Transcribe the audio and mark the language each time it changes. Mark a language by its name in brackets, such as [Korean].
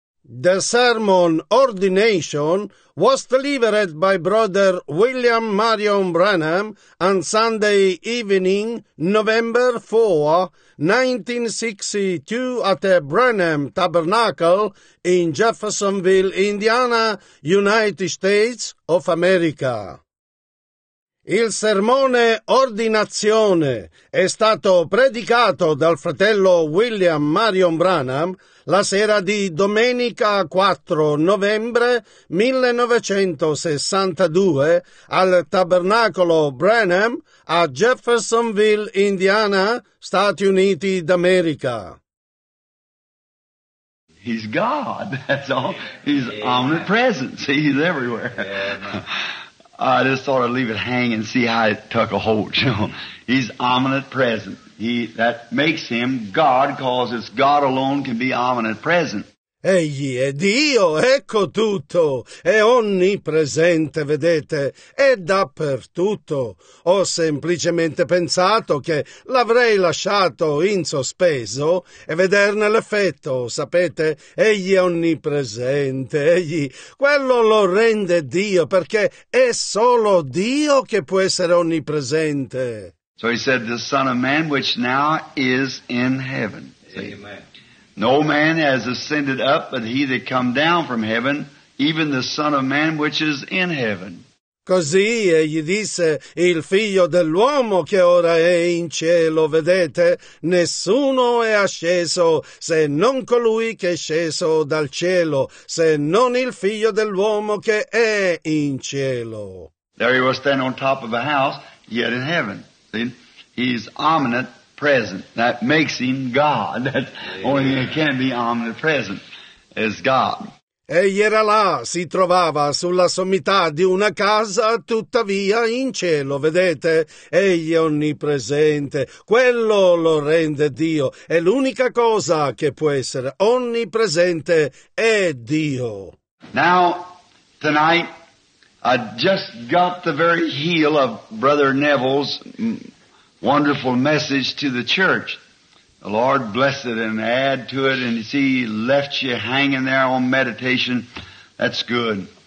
[English] The sermon, Ordination, was delivered by Brother William Marion Branham on Sunday evening, November 4, 1962, at the Branham Tabernacle in Jeffersonville, Indiana, United States of America. [Italian] Il sermone Ordinazione è stato predicato dal fratello William Marion Branham la sera di domenica 4 novembre 1962 al Tabernacolo Branham a Jeffersonville, Indiana, Stati Uniti d'America. [English] He's God, that's all. He's omnipresent, see, he's everywhere. I just thought I'd leave it hanging and see how it took a hold. He's omnipresent. That makes him God, because it's God alone can be omnipresent. [Italian] Egli è Dio, ecco tutto, è onnipresente, vedete, è dappertutto. Ho semplicemente pensato che l'avrei lasciato in sospeso e vederne l'effetto, sapete, egli è onnipresente, egli, quello lo rende Dio, perché è solo Dio che può essere onnipresente. [English] So he said, the Son of Man which now is in heaven. Amen. No man has ascended up, but he that come down from heaven, even the Son of Man which is in heaven. [Italian] Così egli disse, il figlio dell'uomo che ora è in cielo, vedete, nessuno è asceso se non colui che è sceso dal cielo, se non il figlio dell'uomo che è in cielo. [English] There he was standing on top of a house, yet in heaven. See, he's omniscient. Present. That makes him God. Only he can be omnipresent as God. [Italian] Egli era là, si trovava sulla sommità di una casa, tuttavia in cielo, vedete? Egli è onnipresente. Quello lo rende Dio. È l'unica cosa che può essere onnipresente è Dio. [English] Now, tonight, I just got the very heel of Brother Neville's wonderful message to the church. The Lord bless it and add to it. And see, he left you hanging there on meditation. That's good.